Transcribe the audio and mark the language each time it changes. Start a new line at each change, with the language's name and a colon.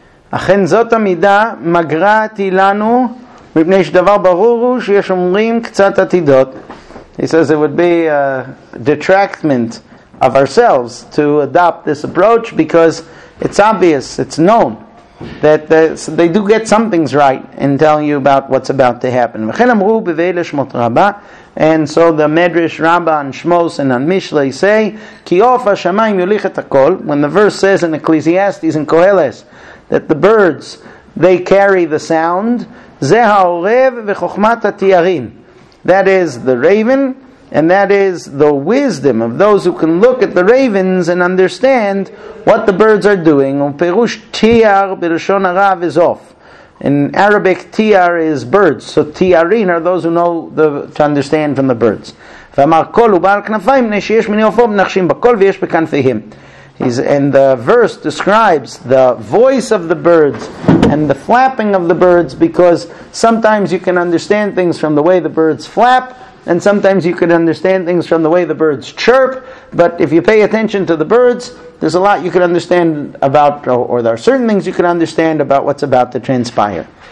Hebrew: אכן זאת המידה מגרעתי לנו מפני שדבר ברור הוא שיש אומרים קצת עתידות.
English: He says it would be a detractment of ourselves to adopt this approach, because it's obvious, it's known, that they do get some things right in telling you about what's about to happen.
Hebrew: וכן אמרו בבעל שמות רבה.
English: And so the Medrash Rabbah on Shmos and on Mishlei say,
Hebrew: Ki of HaShamayim Yulich Et HaKol,
English: when the verse says in Ecclesiastes and Koheles that the birds, they carry the sound,
Hebrew: Zeh HaOrev VeChochmat HaTiyarim.
English: That is the raven, and that is the wisdom of those who can look at the ravens and understand what the birds are doing.
Hebrew: Perush Tiyar B'Roshon HaRav
English: is off. In Arabic, tiar is birds. So tiarin are those who know to understand from the birds.
Hebrew: ואמר כל ובעל כנפיים מפני שיש מיני עופו מנחשים בכל ויש בכנפיהם.
English: And the verse describes the voice of the birds and the flapping of the birds, because sometimes you can understand things from the way the birds flap, and sometimes you can understand things from the way the birds chirp. But if you pay attention to the birds, there's a lot you can understand about, or there are certain things you can understand about what's about to transpire.